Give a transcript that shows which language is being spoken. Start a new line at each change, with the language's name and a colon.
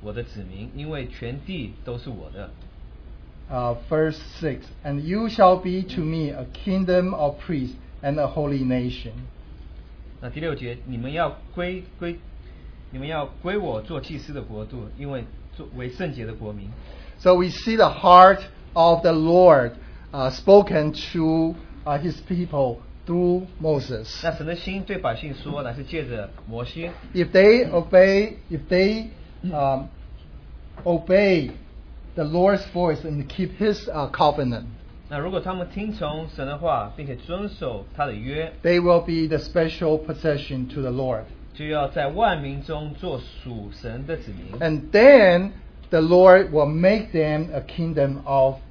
Chinese: 如今你们若实在听从我的话，遵守我的约，就要在万民中作属我的子民，因为全地都是我的。
English: Verse 6, "And you shall be to me a kingdom of priests and a holy nation."
Chinese: 那第六节，你们要归。
English: So we see the heart of the Lord spoken to his people through Moses.
Chinese: 那神的心对百姓说，乃是借着摩西。
English: If they obey the Lord's voice and keep his covenant,
Chinese: 那如果他们听从神的话，并且遵守他的约,
English: they will be the special possession to the Lord. And then the Lord will make them a kingdom of